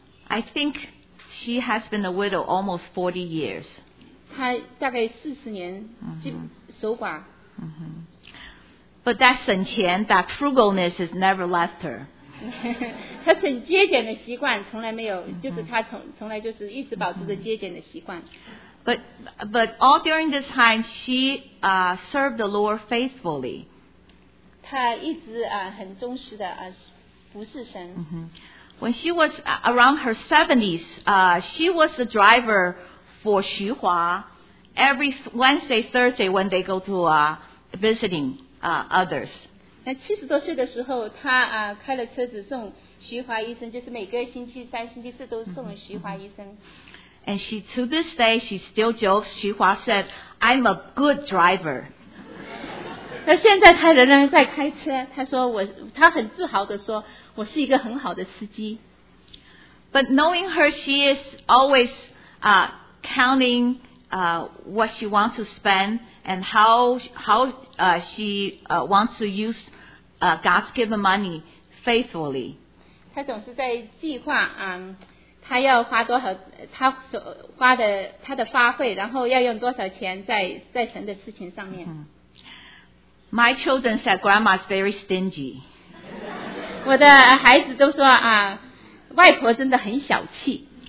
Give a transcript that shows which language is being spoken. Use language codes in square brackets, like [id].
[en] I think she has been a widow almost 40 years. [zh] 她大概40年守寡。 [en] But that 省钱, that frugalness has never left her. [zh] 她很节俭的习惯从来没有，就是她从来就是一直保持着节俭的习惯。 [en] But all during this time, she served the Lord faithfully. [zh] 她一直很忠实的服侍神。 [en] When she was around her 70s, she was the driver for 徐华 every Wednesday, Thursday when they go to visiting others. [zh] 那七十多岁的时候，她开了车子送徐华医生，就是每个星期三、星期四都送徐华医生。 [en] And she, to this day, she still jokes. 徐华 said, "I'm a good driver." [zh] 那现在她仍然在开车，她说她很自豪的说，我是一个很好的司机。 [en] But knowing her, she is always counting what she wants to spend and how she wants to use God's given money faithfully. [zh] 她总是在计划她要花多少，她所花的她的花费，然后要用多少钱在神的事情上面。 [en] My children said Grandma's very stingy. [zh] 我的孩子都说外婆真的很小气。